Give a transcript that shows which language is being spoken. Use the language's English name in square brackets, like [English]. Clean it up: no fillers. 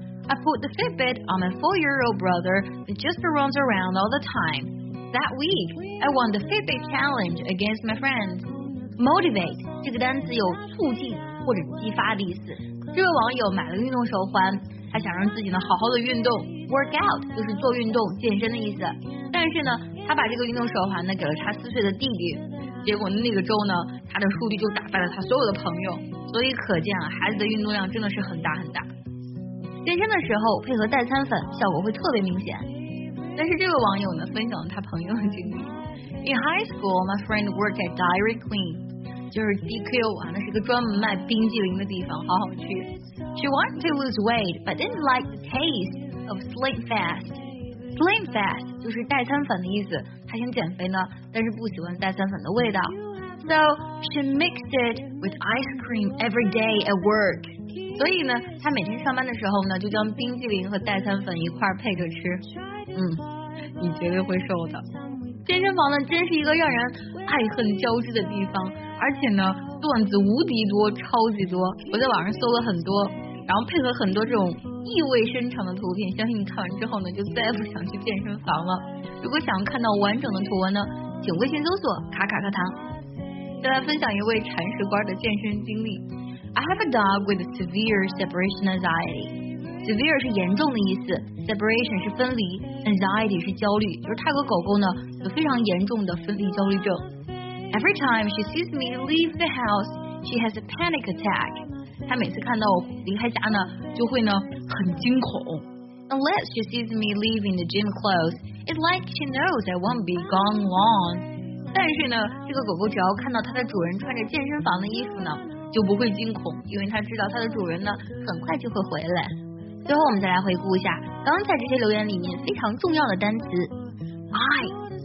[English] I put the Fitbit on my four-year-old brother that just runs around all the time. That week, I won the Fitbit challenge against my friends. [Chinese] Motivate 这个单词有促进。或者激发的意思。这位网友买了运动手环，他想让自己呢好好的运动 ，work out 就是做运动、健身的意思。但是呢，他把这个运动手环呢给了他四岁的弟弟，结果那个周呢，他的数据就打败了他所有的朋友。所以可见啊，孩子的运动量真的是很大很大。健身的时候配合代餐粉，效果会特别明显。但是这位网友呢，分享了他朋友的经历。 [English] In high school, my friend worked at Dairy Queen. [Chinese] 就是 DQ 啊，那是个专门卖冰激凌的地方，好好去。 [English] She wanted to lose weight, but didn't like the taste of slim fast. [Chinese] Slim fast 就是代餐粉的意思，她想减肥呢，但是不喜欢代餐粉的味道。 [English] So she mixed it with ice cream every day at work. [Chinese] 所以呢，她每天上班的时候呢，就将冰激凌和代餐粉一块配着吃。嗯，你绝对会瘦的。健身房呢，真是一个让人爱恨交织的地方，而且呢，段子无敌多，超级多。我在网上搜了很多，然后配合很多这种意味深长的图片，相信你看完之后呢，就再也不想去健身房了。如果想看到完整的图文呢，请微信搜索“卡卡课堂”。再来分享一位铲屎官的健身经历。 [English] I have a dog with severe separation anxiety. [Chinese] Severe 是严重的意思 ，separation 是分离 ，anxiety 是焦虑，就是他和狗狗呢。有非常严重的分离焦虑症。 [English] Every time she sees me leave the house, she has a panic attack. [Chinese] 她每次看到我离开家呢，就会呢很惊恐。 [English] Unless she sees me leaving the gym clothes, it's like she knows I won't be gone long. [Chinese] 但是呢，这个狗狗只要看到它的主人穿着健身房的衣服呢，就不会惊恐，因为它知道它的主人呢很快就会回来。最后，我们再来回顾一下刚才这些留言里面非常重要的单词 ，I。